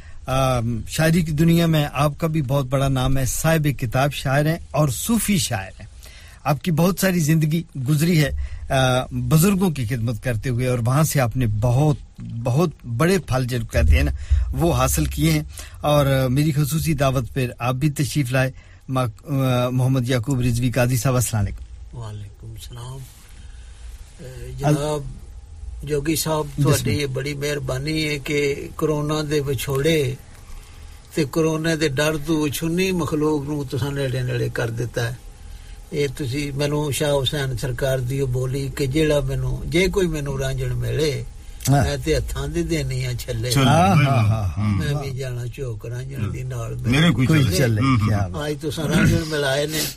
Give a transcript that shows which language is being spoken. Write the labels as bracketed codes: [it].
[ur] شاعری کی دنیا میں آپ کا بھی بہت بڑا نام ہے صاحب کتاب شاعر ہیں اور صوفی شاعر ہیں آپ کی بہت ساری زندگی گزری ہے بزرگوں کی خدمت کرتے ہوئے اور وہاں سے آپ نے بہت بہت بڑے پھل جو کہتے ہیں نا وہ حاصل کیے ہیں اور میری خصوصی دعوت پر آپ بھی تشریف لائے محمد یعقوب رضوی قاضی صاحب السلام علیکم [pa] وعلیکم السلام جناب جوگی صاحب تہاڈی بڑی مہربانی ہے کہ کرونا دے وچھوڑے تے کرونا دے ڈر تو چھنی مخلوق نو تساں نیڑے نیڑے کر دیتا ہے اے تسی مینوں شاہ حسین سرکار دی بولی کہ جیڑا مینوں جے کوئی مینوں رانجن ملے میں تے ہتھاں دے دینی ہاں چھلے ہاں ہاں ہاں میں جانا چوک رانجن دی نال میرے کوئی چلے کیا اج تساں رانجن ملائے نے